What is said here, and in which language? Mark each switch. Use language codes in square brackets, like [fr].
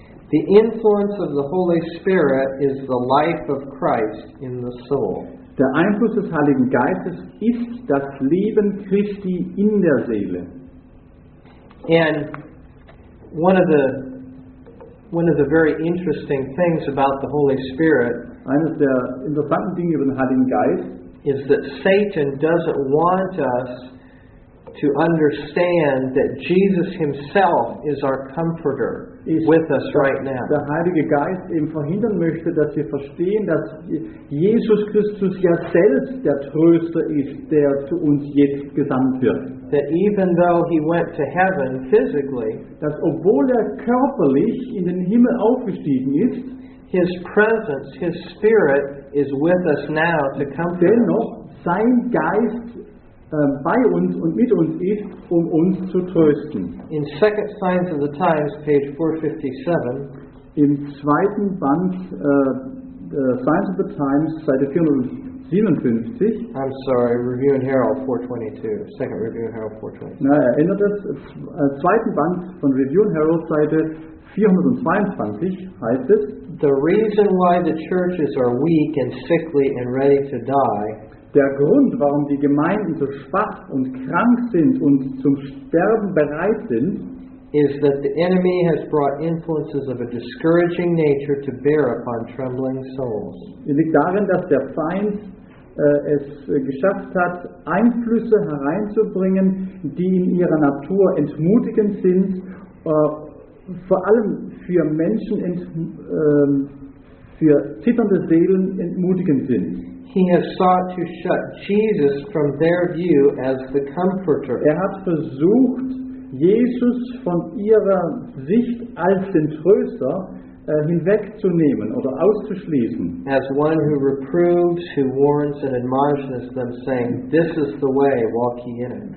[en] The influence of the Holy Spirit is the life of Christ in the soul. [de] Der Einfluss des Heiligen Geistes ist das Leben Christi in der Seele. [en] And one of the very interesting things about the Holy Spirit, [de] eines der interessanten Dinge über den Heiligen Geist, [en] is that Satan doesn't want us to understand that Jesus himself is our comforter with us right now. [de] Der Heilige Geist eben verhindern möchte, dass wir verstehen, dass Jesus Christus ja selbst der Tröster ist, der zu uns jetzt gesandt wird. [en] That even though he went to heaven physically, [de] dass obwohl er körperlich in den Himmel aufgestiegen ist, [en] his presence, his spirit is with us now to comfort [de] Dennoch sein Geist bei uns und mit uns ist, um uns zu trösten. [en] In 2 Signs of the Times, page 457, [de] im zweiten Band Signs of the Times, Seite 457, [en] I'm sorry, Review and Herald 422, second Review and Herald 422. [de] Na, erinnert es, zweiten Band von Review and Herald, Seite 422, heißt es, [en] the reason why the churches are weak and sickly and ready to die, [de] der Grund, warum die Gemeinden so schwach und krank sind und zum Sterben bereit sind, [en] is that the enemy has brought influences of a discouraging nature to bear upon trembling souls. [de] Es liegt darin, dass der Feind es geschafft hat, Einflüsse hereinzubringen, die in ihrer Natur entmutigend sind, vor allem für Menschen, für zitternde Seelen entmutigend sind. [en] He has sought to shut Jesus from their view as the comforter. [de] Er hat versucht, Jesus von ihrer Sicht als den Tröster hinwegzunehmen oder auszuschließen. [en] As one who reproves, who warns and admonishes them, saying, "This is the way, walk ye in it."